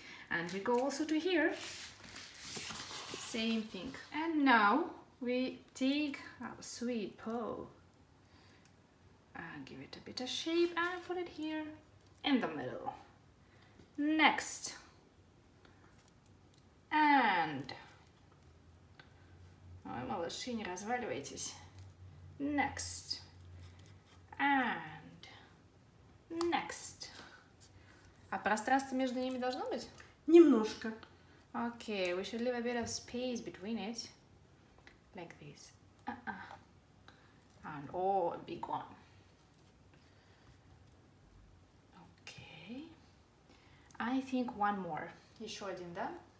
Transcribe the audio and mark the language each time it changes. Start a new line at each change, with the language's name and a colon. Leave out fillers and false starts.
English: And we go also to here. Same thing. And now we take our sweet pot and give it a bit of shape and put it here in the middle. Next.
Russian: And ой, малыши, не разваливайтесь.
English: Next. And next.
Russian: А пространство между ними должно быть? Немножко.
English: Okay, we should leave a bit of space between it. Like this. And oh, a big one. Okay. I think one more.
Russian: Еще один, да?